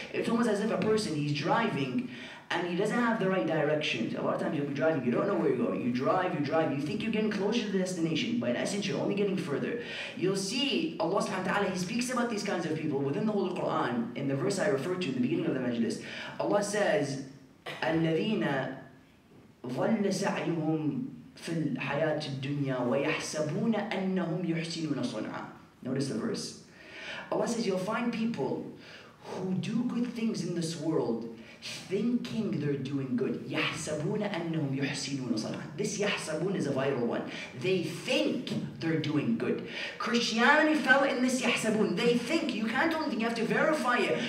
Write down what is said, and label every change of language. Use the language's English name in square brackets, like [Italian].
[English] It's almost as if a person, he's driving, and he doesn't have the right directions. A lot of times you'll be driving, you don't know where you're going. You drive, you think you're getting closer to the destination, but in essence, you're only getting further. You'll see Allah subhanahu wa ta'ala, he speaks about these kinds of people within the Holy Quran, in the verse I referred to in the beginning of the majlis. Allah says, [Arabic] الَّذِينَ ظَلَّ سَعْيُهُمْ فِي الْحَيَاةِ الدُّنْيَا وَيَحْسَبُونَ أَنَّهُمْ يُحْسِنُونَ صُنْعًا. [English] Notice the verse. Allah says, you'll find people who do good things in this world thinking they're doing good. [Arabic] يَحْسَبُونَ أَنَّهُمْ يُحْسِنُونَ صَنْعًا. [English] This يَحْسَبُونَ is a vital one. They think they're doing good. Christianity fell in this يَحْسَبُونَ. They think, you can't only think, you have to verify it.